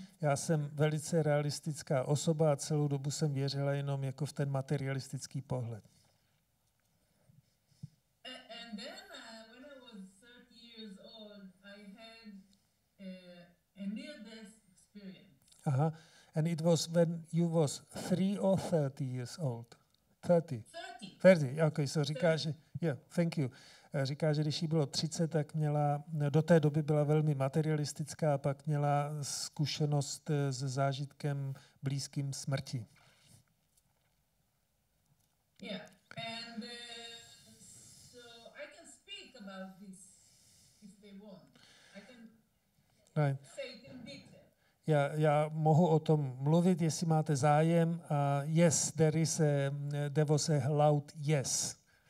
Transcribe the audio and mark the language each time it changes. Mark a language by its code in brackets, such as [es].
[cs] Já jsem velice realistická osoba a celou dobu jsem věřila jenom jako v ten materialistický pohled. [en] And then when I was 30 years old, I had a near-death experience. Aha. And it was when you was 3 or 30 years old. 30. 30. 30. Okay, so [cs] říká, [en] 30. Že, yeah, thank you. [cs] Říká, že když jí bylo 30, tak měla, do té doby byla velmi materialistická a pak měla zkušenost s zážitkem blízkým smrti. [en] Yeah. And so I can speak about this if they want. I can say it in detail. [cs] Já mohu o tom mluvit, jestli máte zájem. [en] Yes, there was a loud yes.